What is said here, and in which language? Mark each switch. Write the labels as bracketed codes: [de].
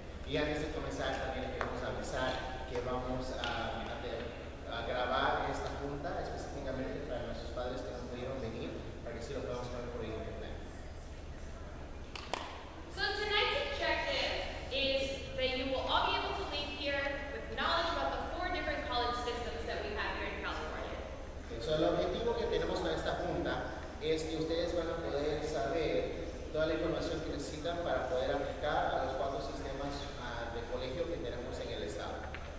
[es] Y antes de comenzar, también queremos avisar que vamos a grabar esta junta específicamente para nuestros padres que no pudieron venir, para que sí lo podamos ver por internet. [en] So tonight's objective is that you will all be able to leave here with knowledge about the four different college systems that we have here in California. [es] So el objetivo que tenemos para esta junta es que ustedes van a poder saber toda la información que necesitan para poder aplicar a los cuatro sistemas de colegio que tenemos en el estado.